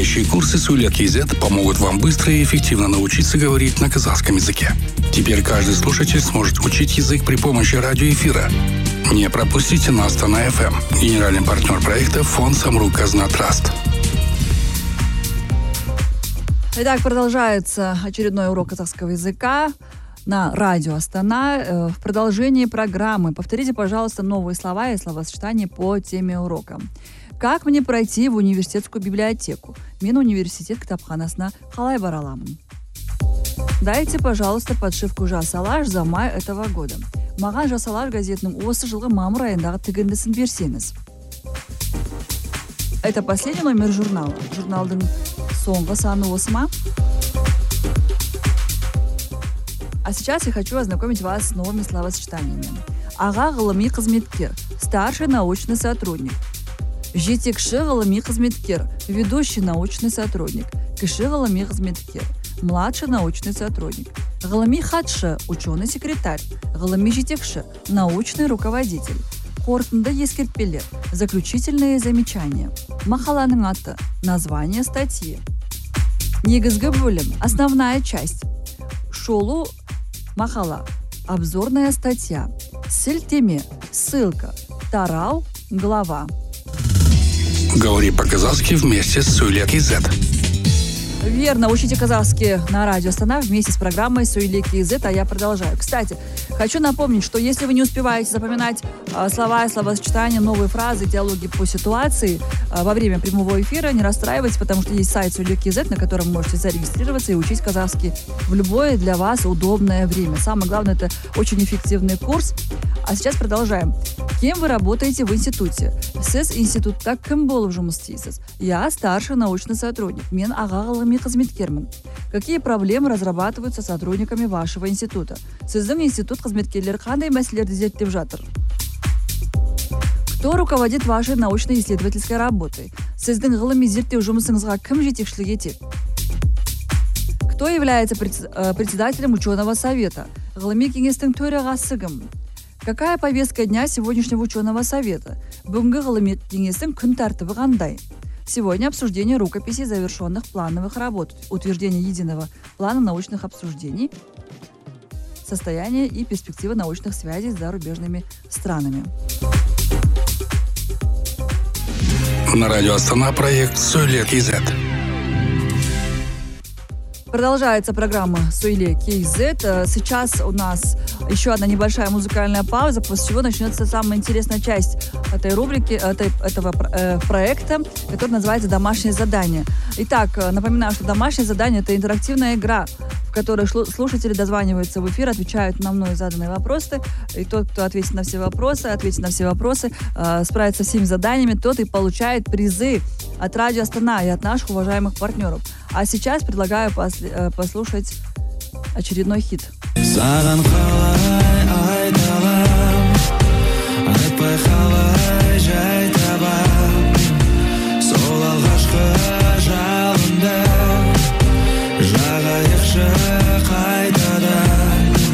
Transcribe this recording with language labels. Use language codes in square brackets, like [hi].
[ru] Курсы Сулья.кз помогут вам быстро и эффективно научиться говорить на казахском языке. Теперь каждый слушатель сможет учить язык при помощи радиоэфира. Не пропустите нас на FM. Генеральный партнер проекта – фонд «Самрук Казна Траст». Итак, продолжается очередной урок казахского языка на радио Астана. В продолжении программы повторите, пожалуйста, новые слова и словосочетания по теме урока. Как мне пройти в университетскую библиотеку? [kk] Мен университет кітапханасына қалай бара аламын? [ru] Дайте, пожалуйста, подшивку «Жасалаш» за май этого года. [kk] Маған «Жасалаш» газетінің осы жылғы мамыр айындағы тігіндісін берсеңіз. [ru] Это последний номер журнала. [kk] Журналдың соңғы саны осы ма? [ru] А сейчас я хочу ознакомить вас с новыми словосочетаниями. [kk] Аға ғылыми қызметкер, [ru] старший научный сотрудник. [kk] Жетекші ғылыми қызметкер, [ru] ведущий научный сотрудник. [kk] Кіші ғылыми қызметкер, [ru] младший научный сотрудник. [kk] Ғылыми хатшы, [ru] ученый секретарь. [kk] Ғылыми жетекші, [ru] научный руководитель. [kk] Қорытынды ескертпелер, [ru] заключительные замечания. [kk] Мақаланың аты, [ru] название статьи. [kk] Негізгі бөлім, [ru] основная часть. [kk] Шолу мақала, [ru] обзорная статья. [kk] Сілтеме, [ru] ссылка. [kk] Тарау, [ru] глава. Говори по-казахски вместе с Сулья.кз. Верно, учите казахский на радио Астана вместе с программой Сулья.кз, а я продолжаю. Кстати, хочу напомнить, что если вы не успеваете запоминать слова и словосочетания, новые фразы, диалоги по ситуации во время прямого эфира, не расстраивайтесь, потому что есть сайт Сулья.кз, на котором можете зарегистрироваться и учить казахский в любое для вас удобное время. Самое главное, это очень эффективный курс. А сейчас продолжаем. Кем вы работаете в институте? [kk] Сіз институтта кім болып жұмыс істейсіз? [ru] Я старший научный сотрудник. [kk] Мен аға ғылыми қызметкермін. [ru] Какие проблемы разрабатываются сотрудниками вашего института? [kk] Сіздің институт қызметкерлері қандай мәселелерді зерттеп жатыр? [ru] Кто руководит вашей научно-исследовательской работой? [kk] Сіздің ғылыми зерттеу жұмысыңызға кім жетекшілік етеді? [ru] Кто является председателем ученого совета? [kk] Ғылыми кеңестің төрағасы кім? [ru] Какая повестка дня сегодняшнего ученого совета? [kk] Бүгінгі ғылыми кеңестің күн тәртібі қандай? [ru] Сегодня обсуждение рукописей завершенных плановых работ, утверждение единого плана научных обсуждений, состояние и перспективы научных связей с зарубежными странами. На радио Астана проект «Сулья.кз». Продолжается программа «Сулья.кз». Сейчас у нас еще одна небольшая музыкальная пауза, после чего начнется самая интересная часть этой рубрики, этого проекта, который называется «Домашнее задание». Итак, напоминаю, что «Домашнее задание» — это интерактивная игра, в которой слушатели дозваниваются в эфир, отвечают на мной заданные вопросы. И тот, кто ответит на все вопросы, справится со всеми заданиями, тот и получает призы от «Радио Астана» и от наших уважаемых партнеров. А сейчас предлагаю послушать очередной хит. [kk] Саған қалай айталам, айтпай қалай жай табам. Сол алғашқы жалында, жағайықшы қайтадан.